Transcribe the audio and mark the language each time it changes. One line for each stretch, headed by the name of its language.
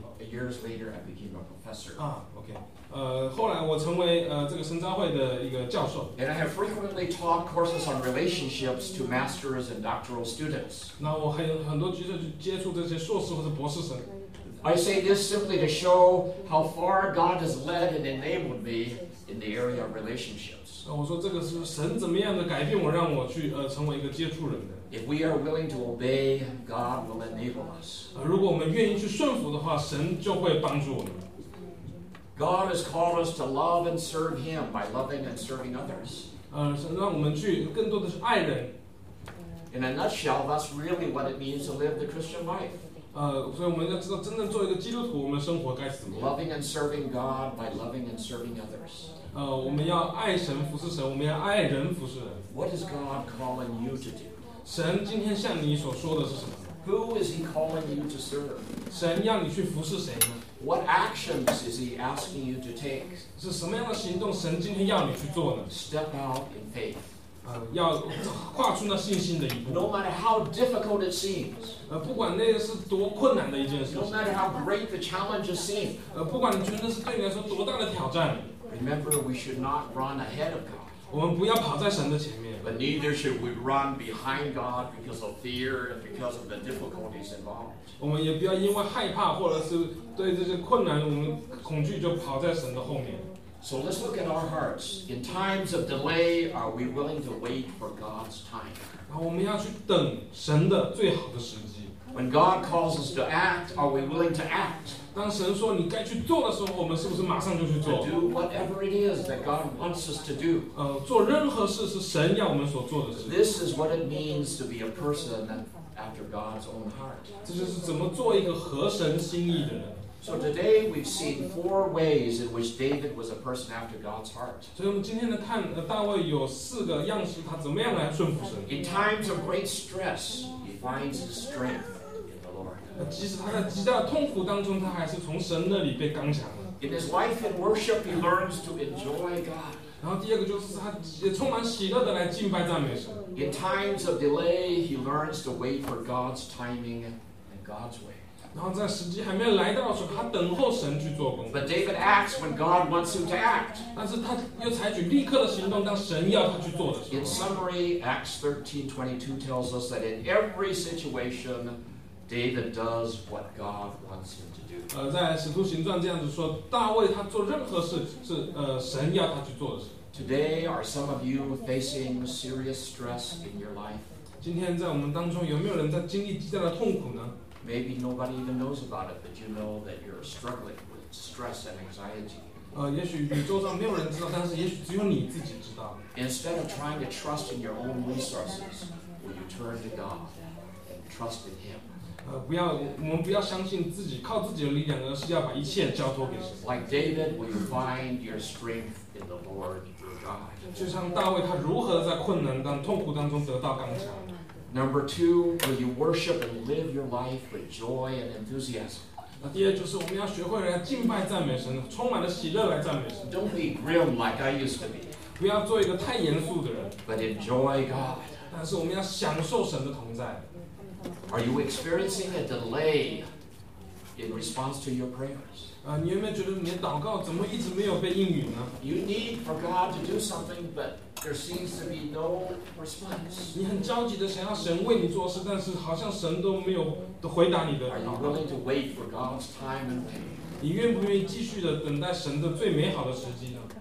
English: Years later, I became a professor. Okay.
Chinese: 后来我成为这个神召会的一个教授。
English: And I have frequently taught courses on relationships to masters and doctoral students.
Chinese: 那我还有很多机会去接触这些硕士或者博士生。
English: I say this simply to show how far God has led and enabled me in the area of relationships.
Chinese: 我说这个是神怎么样的改变我，让我去成为一个接触人的。
English: If we are willing to obey, God will enable us.
Chinese: 如果我们愿意去顺服的话，神就会帮助我们。
English: God has called us to love and serve Him by loving and serving others.
Chinese: 神让我们去更多的是爱人。
English: In a nutshell, that's really what it means to live the Christian life.
Chinese: 所以我们要知道，真正做一个基督徒，我们生活该是怎么样
English: ？Loving and serving God by loving and serving others.
Chinese: 我们要爱神，服侍神；我们要爱人，服侍人。
English: What is God calling you to do?
Chinese: 神今天向你所说的是什么
English: ？Who is He calling you to serve?
Chinese: 神要你去服侍谁呢
English: ？What actions is He asking you to take?
Chinese: 是什么样的行动？神今天要你去做呢
English: ？Step out in faith.
Chinese: 要跨出那信心的一步。
English: No matter how difficult it seems，
Chinese: 不管那是多困难的一件事。
English: No matter how great the challenges seem，
Chinese: 不管你觉得是对你来说多大的挑战。
English: Remember, we should not run ahead of God。
Chinese: 我们不要跑在神的前面。
English: But neither should we run behind God because of fear and because of the difficulties involved。
Chinese: 我们也不要因为害怕或者是对这些困难我们恐惧就跑在神的后面。
English: So let's look at our hearts. In times of delay, are we willing to wait for God's time?
Chinese: 我们要去等神的最好的时机。
English: When God calls us to act, are we willing to act?
Chinese: 当神说你该去做的时候，我们是不是马上就去做？
English: To do whatever it is that God wants us to do.
Chinese: 做任何事是神要我们所做的事。
English: This is what it means to be a person after God's own heart.
Chinese: 这就是怎么做一个合神心意的人。
English: So today we've seen four ways in which David was a person after God's heart.
Chinese: 所以我们今天的看大卫有四个样式，他怎么样来顺服神。
English: In times of great stress, he finds his strength in the Lord.
Chinese: 即使他在极大的痛苦当中，他还是从神那里被刚强了。
English: In his life and worship, he learns to enjoy God.
Chinese: 然后第二个就是他也充满喜乐的来敬拜赞美神。
English: In times of delay, he learns to wait for God's timing and God's way.
Chinese: 然后在时机还没来到的时候，他等候神去做工。
English: But David acts when God wants him to act.
Chinese: 但是他又采取立刻的行动，当神要他去做的时候。
English: In summary, Acts 13:22 tells us that in every situation, David does what God wants him to do.
Chinese: 在《使徒行传》这样子说，大卫他做任何事是神要他去做的事。
English: Today, are some of you facing serious stress in your life?
Chinese: 今天在我们当中有没有人在经历极大的痛苦呢？
English: Maybe nobody even knows about it, but you know that you're struggling with stress and anxiety.
Chinese: 也许你周遭没有人知道，但是也许只有你自己知道。
English: Instead of trying to trust in your own resources, will you turn to God and trust in Him?
Chinese: 我们不要相信自己靠自己的力量，而是要把一切交托给神。
English: Like David, will you find your strength in the Lord your God?
Chinese: 就像大卫，他如何在困难当痛苦当中得到刚强？
English: Number two, will you worship and live your life with joy and enthusiasm?
Chinese: 那第二就是我们要学会来敬拜赞美神，充满了喜乐来赞美神。
English: Don't be grim like I used to be.
Chinese: 不要做一个太严肃的人。
English: But enjoy God.
Chinese: 但是我们要享受神的同在。
English: Are you experiencing a delay in response to your prayers?
Chinese: 你有没有觉得你的祷告怎么一直没有被应允呢？
English: You need for God to do something, but there seems to be no response.
Chinese: 你很焦急的想要神为你做事，但是好像神都没有回答你的祷告。
English: Are you willing to wait for God's time and way?
Chinese: 你愿不愿意继续的等待神的最美好的时机呢？